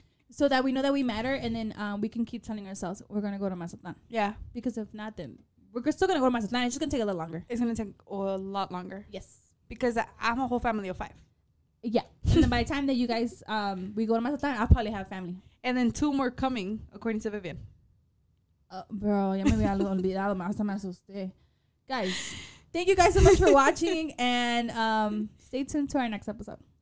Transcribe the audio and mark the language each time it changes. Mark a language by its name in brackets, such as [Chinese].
[English] So that we know that we matter, and then we can keep telling ourselves we're going to go to Mazatlan. Yeah. Because if not, then we're still going to go to Mazatlan. It's just going to take a little longer. It's going to take a lot longer. Yes. Because I'm a whole family of five. Yeah, and then by the time that you guys we go to Mazatlan, I'll probably have family. And then two more coming, according to Vivian. [Spanish] Bro, ya me había olvidado, hasta me asusté. [English] Guys, thank you guys so much for watching, and stay tuned to our next episode.